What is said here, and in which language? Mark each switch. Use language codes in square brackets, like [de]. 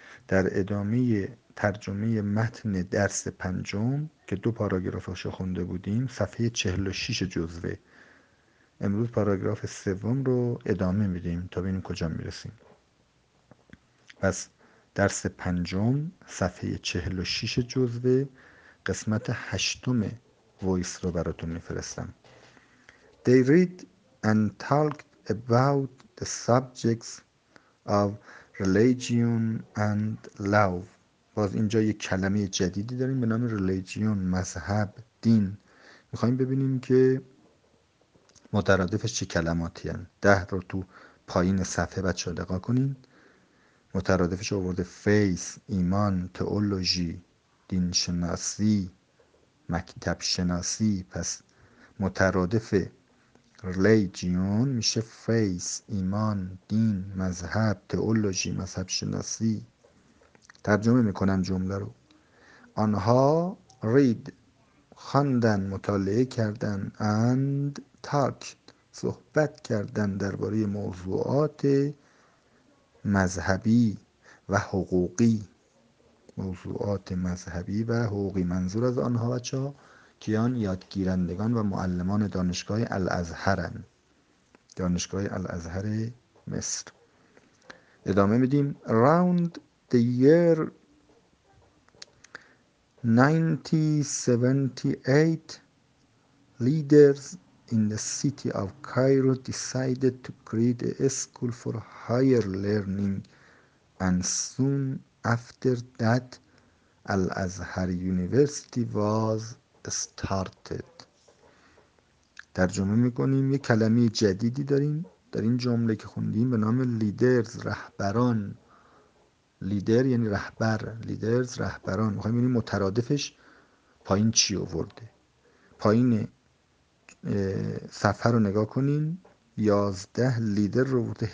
[fa] در ادامه ترجمه متن درس پنجم که دو پاراگرافش رو خونده بودیم، صفحه 46 جزوه، امروز پاراگراف سوم رو ادامه میدیم تا ببینیم کجا میرسیم. پس درس پنجم صفحه 46 جزوه قسمت هشتم وایس رو براتون میفرستم. [en] They read and talked about the subjects of religion and love. [fa] باز اینجا یک کلمه جدیدی داریم به نام religion، مذهب، دین. میخواییم ببینیم که مترادفش چه کلماتی هست. ده رو تو پایین صفحه بچه ها دقیق کنین. مترادفش آورده faith، ایمان، تئولوژی، دین شناسی، مکتب شناسی. پس مترادف ریلیجیون میشه فیس، ایمان، دین، مذهب، تئولوژی، مذهب شناسی. ترجمه میکنم جمله رو. آنها رید، خواندن، مطالعه کردن، اند تاک، صحبت کردن درباره موضوعات مذهبی و حقوقی. موضوعات مذهبی و حقوقی، منظور از آنها بچه ها کیان؟ یادگیرندگان و معلمان دانشگاه الازهر، دانشگاه الازهر مصر. ادامه میدیم. [en] Around the year 1978 leaders in the city of Cairo decided to create a school for higher learning and soon after that Al Azhar University was started. [fa] ترجمه میکنیم. یک کلمه جدیدی داریم در این جمله که خوندیم به نام leaders، رهبران. leader یعنی رهبر، leaders رهبران. میخوایم ببینیم مترادفش پایین چی آورده. پایین صفحه رو نگاه کنیم، 11 leader رو آورده.